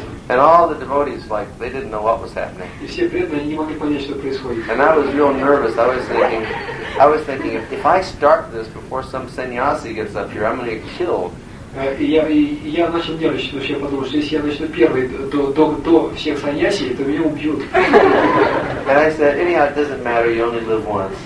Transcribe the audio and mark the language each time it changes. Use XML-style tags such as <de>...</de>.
<en>And all the devotees, like, they didn't know what was happening. And I was real nervous. I was thinking, if I start this before some sannyasi gets up here, I'm going to get killed.</en> <ru>Я начал нервничать, потому что я подумал, что если я начну первый до всех саньяси, то меня убьют.</ru> <en>And I said, anyhow, it doesn't matter, you only live once.</en>